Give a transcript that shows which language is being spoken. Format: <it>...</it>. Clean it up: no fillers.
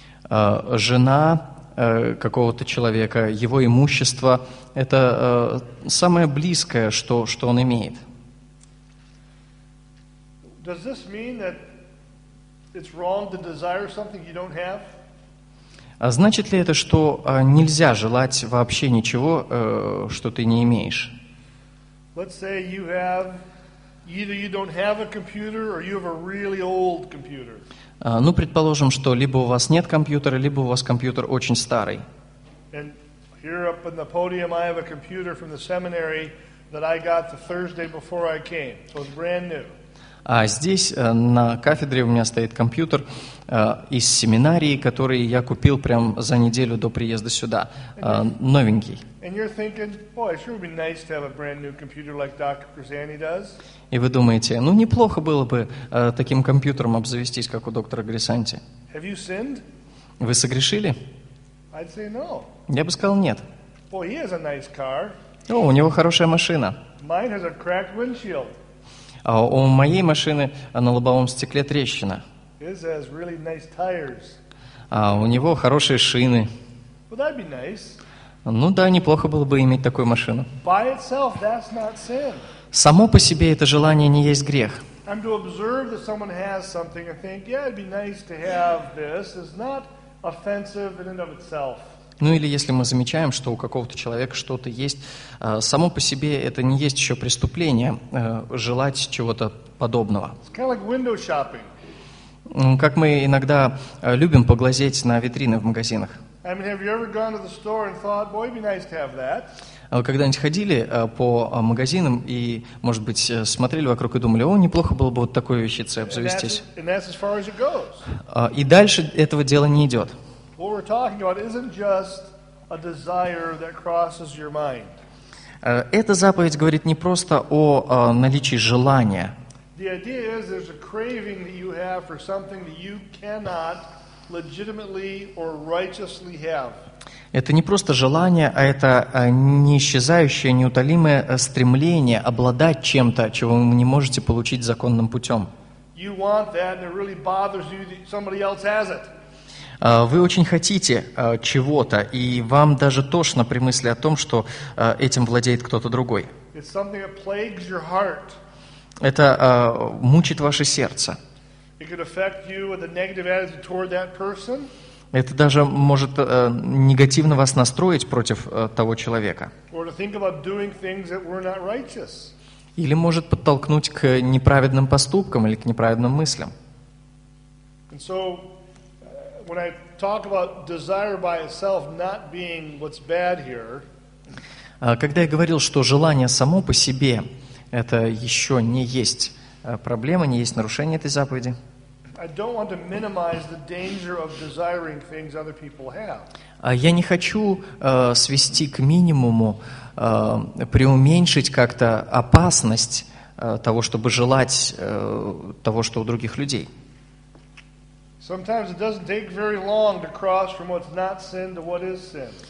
<ru>Жена какого-то человека, его имущество – это самое близкое, что он имеет.</ru> <en>Does this mean that it's wrong to desire something you don't have?</en> <ru>Значит ли это, что нельзя желать вообще ничего, что ты не имеешь? Ну, предположим, что либо у вас нет компьютера, либо у вас компьютер очень старый.</ru> <en>And here up on the podium I have a computer from the seminary that I got the Thursday before I came, so it's brand new.</en> <ru>А здесь на кафедре у меня стоит компьютер из семинарии, который я купил прям за неделю до приезда сюда, новенький.</ru> <en>And you're thinking, boy, it sure would be nice to have a brand new computer like Dr. Grzani does.</en> <ru>И вы думаете, ну неплохо было бы таким компьютером обзавестись, как у доктора Грисанти.</ru> <en>Have you sinned?</en> <ru>Вы согрешили?</ru> <en>I'd say no.</en> <ru>Я бы сказал нет.</ru> <en>Boy, he has a nice car.</en> <ru>О, у него хорошая машина.</ru> <en>Mine has a cracked windshield.</en> <ru>А у моей машины на лобовом стекле трещина.</ru> <en>His has really nice tires.</en> <ru>А у него хорошие шины.</ru> <en>Well, that'd be nice.</en> <ru>Ну да, неплохо было бы иметь такую машину.</ru> <en>By itself, that's not sin.</en> <ru>Само по себе это желание не есть грех.</ru> <en>I'm to observe that someone has something and think, yeah, it'd be nice to have this. It's not offensive in and of itself.</en> <ru>Ну или если мы замечаем, что у какого-то человека что-то есть, само по себе это не есть еще преступление, желать чего-то подобного.</ru> <en>It's kind of like window shopping.</en> <ru>Как мы иногда любим поглазеть на витрины в магазинах.</ru> <en>I mean, have you ever gone to the store and thought, boy, it'd be nice to have that?</en> <ru>Вы когда-нибудь ходили по магазинам и, может быть, смотрели вокруг и думали, о, неплохо было бы вот такой вещицей обзавестись?</ru> <en>And that's as far as it goes.</en> <ru>И дальше этого дела не идет.</ru> <en>What we're talking about isn't just a desire that crosses your mind.</en> <ru>Эта заповедь говорит не просто о наличии желания.</ru> <en>The idea is there's a craving that you have for something that you cannot legitimately or righteously have.</en> <ru>Это не просто желание, а это неисчезающее, неутолимое стремление обладать чем-то, чего вы не можете получить законным путем.</ru> <en>You want that, and it really bothers you that somebody else has it.</en> <ru>Вы очень хотите чего-то, и вам даже тошно при мысли о том, что этим владеет кто-то другой.</ru> <en>It's something that plagues your heart.</en> <ru>Это мучит ваше сердце.</ru> <en>It could affect you with a negative attitude toward that person.</en> <ru>Это даже может негативно вас настроить против того человека.</ru> <en>Or to think about doing things that were not righteous.</en> <ru>Или может подтолкнуть к неправедным поступкам или к неправедным мыслям.</ru> <en>And so, when I talk about desire by itself not being what's bad here,</en> <ru>когда я говорил, что желание само по себе это еще не есть проблема, не есть нарушение этой заповеди,</ru> <en>I don't want to minimize the danger of desiring things other people have.</en> <ru>Я не хочу свести к минимуму, преуменьшить как-то опасность того, чтобы желать того, что у других людей.</ru> <en>Sometimes it doesn't take very long to cross from what's not sin to what is sin.</en>